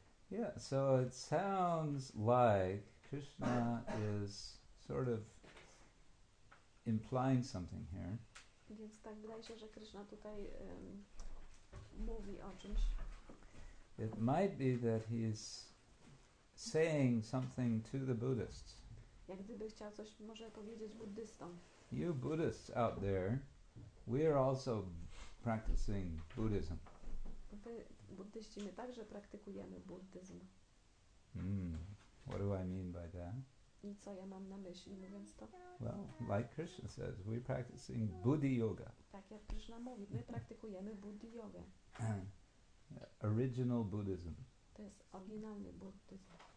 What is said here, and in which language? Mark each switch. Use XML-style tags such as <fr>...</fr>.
<en>Yeah, so it sounds like Krishna is sort of implying something here.</en> <pl>Więc tak wydaje się, że Krishna tutaj mówi o czymś.</pl> <en>It might be that he's saying something to the Buddhists.</en> <pl>Jak gdyby chciał coś może powiedzieć buddystom.</pl> <en>You Buddhists out there, we are also practicing Buddhism.</en> <pl>Wy, buddyści, my także praktykujemy buddyzm.</pl> <en>What do I mean by that?</en> <pl>I co ja mam na myśli, mówiąc to?</pl> <en>Well, like Krishna says, we're practicing Buddhi yoga.</en> <pl>Tak jak Krishna mówi, my praktykujemy Buddhi yoga.</pl> <en>Original Buddhism.</en> <pl>To jest oryginalny buddyzm.</pl>